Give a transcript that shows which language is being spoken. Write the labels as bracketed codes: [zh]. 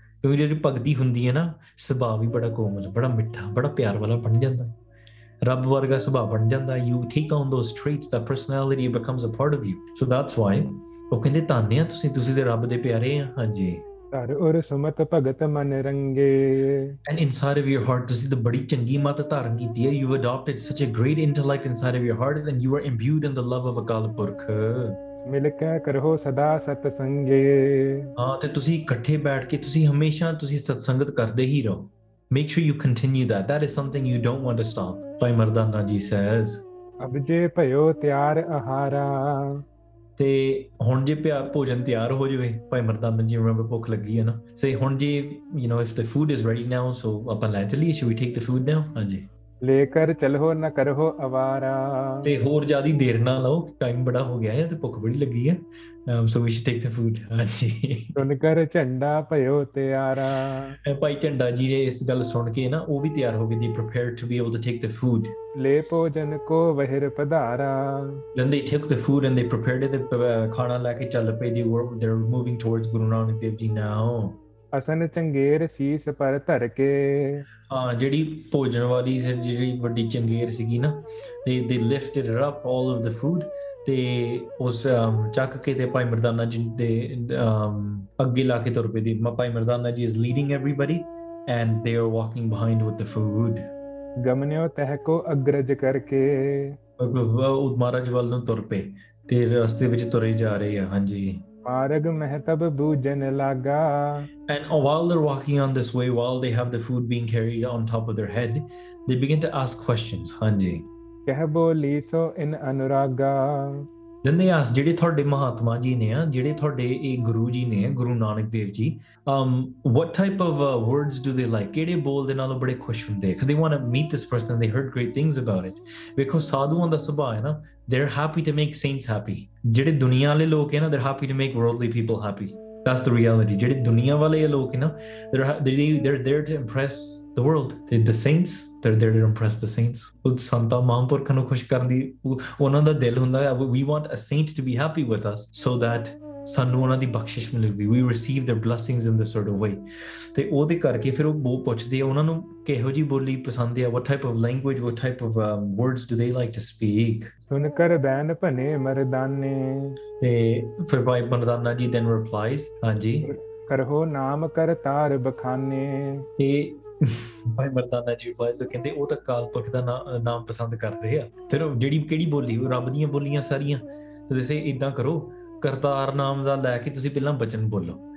[pa] ਜਿਹੜੀ ਭਗਤੀ ਹੁੰਦੀ ਹੈ ਨਾ, ਸੁਭਾਅ ਵੀ ਬੜਾ ਕੋਮਲ, ਬੜਾ ਮਿੱਠਾ, ਬੜਾ ਪਿਆਰ ਵਾਲਾ ਬਣ ਜਾਂਦਾ, ਰੱਬ ਵਰਗਾ ਸੁਭਾਅ ਬਣ ਜਾਂਦਾ. [en] You ਠੀਕ ਆ on those traits, the personality becomes a part of you. So that's why [pa] ਉਹ ਕਹਿੰਦੇ ਤਾਨੇ ਆ ਤੁਸੀਂ, ਤੁਸੀਂ ਤੇ ਰੱਬ ਦੇ ਪਿਆਰੇ ਆ. ਹਾਂਜੀ. ਘਰ ਔਰ ਸੁਮਤ ਭਗਤ ਮਨ ਰੰਗੇ। [en] And inside of your heart, this is the [pa] badi changi mat dharan kiti hai. [en] You've adopted such a great intellect inside of your heart, then you are imbued in the love of Akal Purkh. [pa] ਮਿਲ ਕੇ ਕਰੋ ਸਦਾ ਸਤ ਸੰਗੇ। ਹਾਂ, ਤੇ ਤੁਸੀਂ ਇਕੱਠੇ ਬੈਠ ਕੇ ਤੁਸੀਂ ਹਮੇਸ਼ਾ ਤੁਸੀਂ ਸਤਸੰਗਤ ਕਰਦੇ ਹੀ ਰਹੋ. [en] Make sure you continue that. That is something you don't want to stop. Bhai Mardana ji says, [pa] ਅਬ ਜੇ ਭਇਓ ਤਿਆਰ ਆਹਾਰਾ। ਤੇ ਹੁਣ ਜੇ ਪਿਆਰ ਭੋਜਨ ਤਿਆਰ ਹੋ ਜਾਵੇ, ਭਾਈ ਮਰਦਾਨਾ ਜੀ ਰਿਮੈਂਬਰ ਭੁੱਖ ਲੱਗੀ ਹੈ ਨਾ. [en] say [pa] ਹੁਣ ਜੇ [en] you know if the food is ready now, [pa] ਸੋ ਆਪਾਂ ਲੈ ਚੱਲੀਏ, [en] Should we take the food now? [pa] ਹਾਂਜੀ. ਲੇਕਰ ਚਲੋ ਨਾ ਕਰੋ ਅਵਾਰਾ। ਤੇ ਹੋਰ ਜ਼ਿਆਦਾ ਦੇਰ ਨਾ ਲਾਓ, ਟਾਈਮ ਬੜਾ ਹੋ ਗਿਆ ਹੈ ਤੇ ਭੁੱਖ ਬੜੀ ਲੱਗੀ ਹੈ. [en] So we should take the food. ਹਾਂਜੀ. [pa] ਸੁਣ ਕਰ ਝੰਡਾ ਭਇਓ ਤਿਆਰਾ। ਭਾਈ ਝੰਡਾ ਜੀ ਨੇ ਇਸ ਗੱਲ ਸੁਣ ਕੇ ਨਾ, ਉਹ ਵੀ ਤਿਆਰ ਹੋ ਗਏ, [en] They prepare to be able to take the food. [pa] ਲੈ ਭੋਜਨ ਕੋ ਵਹਿਰ ਪਧਾਰਾ। [en] Then they took the food and they prepared it. [pa] ਖਾਣਾ ਲੈ ਕੇ ਚੱਲ ਪਏ. [en] They're moving towards Guru Nanak Dev Ji now. [pa] ਅਸਨ ਚੰਗੇਰ ਸੀਸ ਪਰ ਧਰ ਕੇ। ਹਾਂ, ਜਿਹੜੀ ਭੋਜਨ ਵਾਲੀ ਜਿਹੜੀ ਵੱਡੀ ਚੰਗੇਰ ਸੀਗੀ ਨਾ, [en] they lifted it up all of the food. [pa] ਤੇ ਉਸ ਚੱਕ ਕੇ ਤੇ ਭਾਈ ਮਰਦਾਨਾ ਜੀ ਦੇ ਅੱਗੇ ਲਾ ਕੇ ਤੁਰ ਪਏ. [en] The Bhai Mardana ji is leading everybody and they are walking behind with the food. [pa] ਗਮਨਿਓ ਤਹਿ ਕੋ ਅਗਰਜ ਕਰਕੇ। ਉਹ ਮਹਾਰਾਜ ਵੱਲ ਨੂੰ ਤੁਰ ਪਏ ਤੇ ਰਸਤੇ ਵਿੱਚ ਤੁਰੇ ਜਾ ਰਹੇ ਆ. ਹਾਂਜੀ. ਮਾਰਗ ਮਹਿਤਬ ਬੂਜਨ ਲਾਗਾ। [en] And while they're walking on this way, while they have the food being carried on top of their head, they begin to ask questions. [pa] Hanji. ਕਹਿ ਬੋਲੀ ਸੋ ਇਨ ਅਨੁਰਾਗਾ। [en] Then they ask, [pa] ਜਿਹੜੇ ਤੁਹਾਡੇ ਮਹਾਤਮਾ ਜੀ ਨੇ ਆ, ਜਿਹੜੇ ਤੁਹਾਡੇ ਇਹ ਗੁਰੂ ਜੀ ਨੇ, Guru Nanak Dev ji, [en] what type of words do they like? [pa] ਕਿਹੜੇ ਬੋਲ ਦੇ ਨਾਲ ਬੜੇ ਖੁਸ਼ ਹੁੰਦੇ? [en] Because they want to meet this person. They heard great things about it. [pa] ਵੇਖੋ, ਸਾਧੂਆਂ ਦਾ ਸੁਭਾਅ ਹੈ ਨਾ, [en] they're happy to make saints happy. [pa] ਜਿਹੜੇ ਦੁਨੀਆ ਵਾਲੇ ਲੋਕ ਹੈ ਨਾ, [en] they're happy to make worldly people happy. That's the reality. [pa] ਜਿਹੜੇ ਦੁਨੀਆ ਵਾਲੇ ਲੋਕ ਹੈ ਨਾ, [en] they're there to impress the world. The saints, they're there to impress the saints. [pa] ਉਹ ਸੰਤਾਂ ਮਹਾਂਪੁਰਖਾਂ ਨੂੰ ਖੁਸ਼ ਕਰਨ ਦੀ ਉਹਨਾਂ ਦਾ ਦਿਲ ਹੁੰਦਾ ਹੈ. [en] We want a saint to be happy with us so that [pa] ਸਾਨੂੰ ਉਹਨਾਂ ਦੀ ਬਖਸ਼ਿਸ਼ ਮਿਲੇਗੀ. [en] We receive their blessings in this sort of way. [pa] ਤੇ ਉਹਦੇ ਕਰਕੇ ਫਿਰ ਉਹ ਬਹੁਤ ਪੁੱਛਦੇ ਆ ਉਹਨਾਂ ਨੂੰ ਕਿਹੋ ਜਿਹੀ ਬੋਲੀ ਪਸੰਦ ਆ. [en] What type of language, what type of words do they like to speak? [pa] ਸੁਣ ਕਰ ਬੈਨ ਭਨੇ ਮਰਦਾਨੇ। ਤੇ ਫਿਰ ਭਾਈ ਮਰਦਾਨਾ ਜੀ [en] then replies, [pa] ਹਾਂਜੀ, ਕਰੋ ਨਾਮ ਕਰਤਾਰ ਬਖਾਨੇ। ਤੇ ਭਾਈ ਮਰਦਾਨਾ ਜੀ ਵਾਇਸ ਕਹਿੰਦੇ ਉਹ ਤਾਂ ਕਾਲ ਪੁਰਖ ਦਾ ਨਾਮ ਪਸੰਦ ਕਰਦੇ ਆ. ਫਿਰ ਜਿਹੜੀ ਕਿਹੜੀ ਬੋਲੀ, ਰੱਬ ਦੀਆਂ ਬੋਲੀਆਂ ਸਾਰੀਆਂ. ਸੋ ਤੁਸੀਂ ਇੱਦਾਂ ਕਰੋ, ਕਰਤਾਰ ਨਾਮ ਦਾ ਲੈ ਕੇ ਤੁਸੀਂ ਪਹਿਲਾਂ ਬਚਨ ਬੋਲੋ.